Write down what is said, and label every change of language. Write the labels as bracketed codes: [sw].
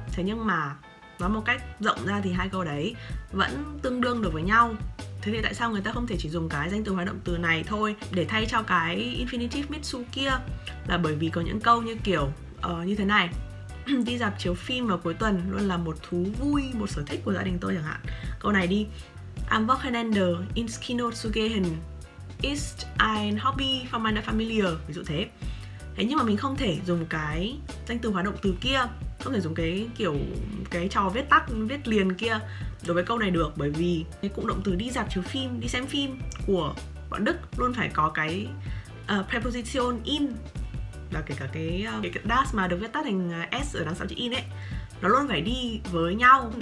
[vi] Thế nhưng mà nói một cách rộng ra thì hai câu đấy vẫn tương đương được với nhau. Thế thì tại sao người ta không thể chỉ dùng cái danh từ hóa động từ này thôi để thay cho cái infinitive mitsu kia? Là bởi vì có những câu như kiểu như thế này: đi dạp chiếu phim vào cuối tuần luôn là một thú vui, một sở thích của gia đình tôi chẳng hạn. Câu này đi: [de] Am Wochenende ins Kino zu gehen ist ein Hobby von meiner Familie. [vi] Ví dụ thế. Thế nhưng mà mình không thể dùng cái danh từ hóa động từ kia, không thể dùng cái kiểu cái trò viết tắt, viết liền kia đối với câu này được, bởi vì cái cụm động từ đi dạp chiếu phim, đi xem phim của bọn Đức luôn phải có cái preposition in, là kể cả cái das mà được viết tắt thành s ở đằng sau chữ in ấy, nó luôn phải đi với nhau.